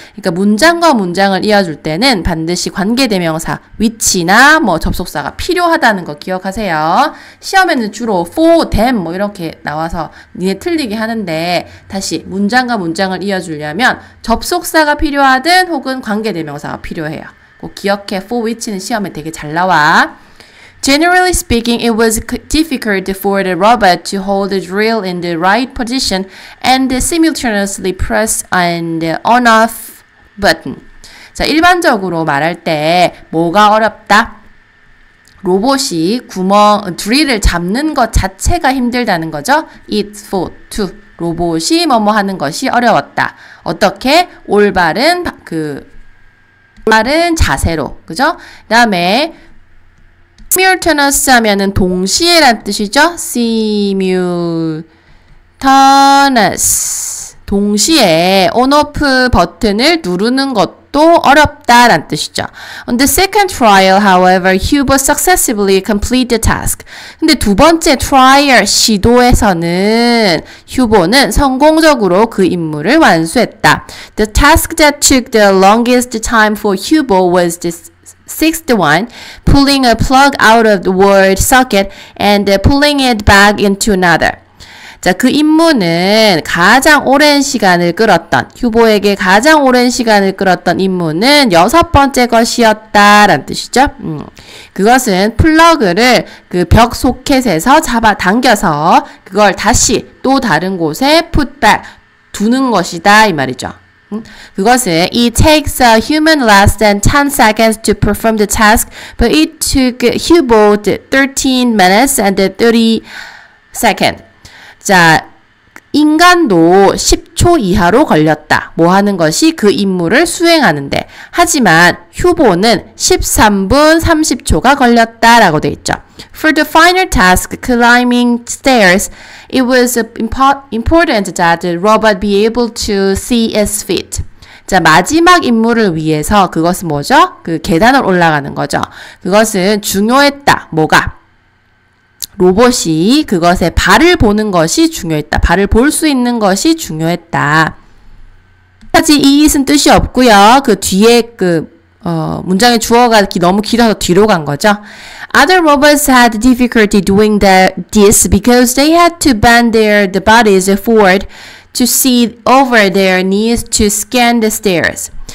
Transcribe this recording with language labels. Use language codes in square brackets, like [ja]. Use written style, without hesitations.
[ko] 그러니까 문장과 문장을 이어줄 때는 반드시 관계대명사, which나 뭐 접속사가 필요하다는 거 기억하세요. 시험에는 주로 for, them 뭐 이렇게 나와서 니네 틀리게 하는데, 다시 문장과 문장을 이어주려면 접속사가 필요하든 혹은 관계대명사가 필요해요. 꼭 기억해. for, which는 시험에 되게 잘 나와. [en] Generally speaking, it was difficult for the robot to hold the drill in the right position and simultaneously press an on-off button. [ko] 자, 일반적으로 말할 때 뭐가 어렵다? 로봇이 구멍, 드릴을 잡는 것 자체가 힘들다는 거죠. [en] It for to [ko] 로봇이 뭐뭐 하는 것이 어려웠다. 어떻게? 올바른 그 올바른 자세로. 그죠? 그다음에 simultaneous 하면은 동시에란 뜻이죠. simultaneous 동시에 on/off 버튼을 누르는 것도 어렵다란 뜻이죠. [en] On the second trial, however, Hubo successfully completed the task. [ko] 근데 두 번째 trial 시도에서는 휴보는 성공적으로 그 임무를 완수했다. [en] The task that took the longest time for Hubo was this. Sixth one, pulling a plug out of the wall socket and pulling it back into another. [ko] 자, 그 임무는 가장 오랜 시간을 끌었던, 휴보에게 가장 오랜 시간을 끌었던 임무는 여섯 번째 것이었다라는 뜻이죠. 그것은 플러그를 그 벽 소켓에서 잡아 당겨서 그걸 다시 또 다른 곳에 [en] put back, [ko] 두는 것이다 이 말이죠. 그것은 [en] it takes a human less than 10 seconds to perform the task, but it took Hubo 13 minutes and 30 seconds. [ko] 자, 인간도 10초 이하로 걸렸다. 뭐 하는 것이? 그 임무를 수행하는데. 하지만 휴보는 13분 30초가 걸렸다라고 돼 있죠. [en] For the final task, climbing stairs, it was important that the robot be able to see its feet. [ko] 자, 마지막 임무를 위해서 그것은 뭐죠? 그 계단을 올라가는 거죠. 그것은 중요했다. 뭐가? 로봇이 그것의 발을 보는 것이 중요했다. 발을 볼 수 있는 것이 중요했다. 하지만 이는 뜻이 없고요. 그 뒤에 그 문장의 주어가 너무 길어서 뒤로 간 거죠. [en] Other robots had difficulty doing this because they had to bend their bodies forward to see over their knees to scan the stairs.